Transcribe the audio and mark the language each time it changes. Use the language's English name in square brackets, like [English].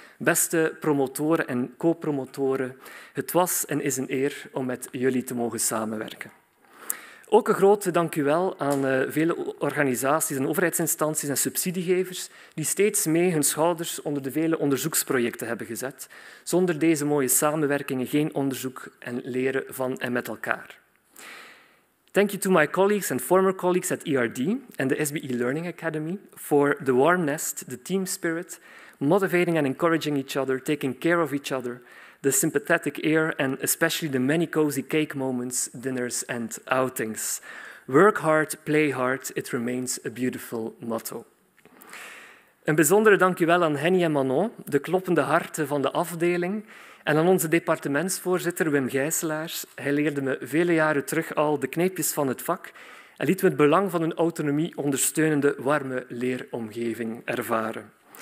[Dutch] Beste promotoren en co-promotoren, het was en is een eer om met jullie te mogen samenwerken. Ook een grote dankjewel aan vele organisaties en overheidsinstanties en subsidiegevers die steeds mee hun schouders onder de vele onderzoeksprojecten hebben gezet. Zonder deze mooie samenwerkingen geen onderzoek en leren van en met elkaar. [English] Thank you to my colleagues and former colleagues at ERD and the SBE Learning Academy for the warm nest, the team spirit, motivating and encouraging each other, taking care of each other, the sympathetic ear, and especially the many cozy cake moments, dinners, and outings. Work hard, play hard, it remains a beautiful motto. [Dutch] Een bijzondere dankjewel aan Henny en Manon, de kloppende harten van de afdeling, en aan onze departementsvoorzitter Wim Gijselaars. Hij leerde me vele jaren terug al de kneepjes van het vak en liet me het belang van een autonomie ondersteunende, warme leeromgeving ervaren.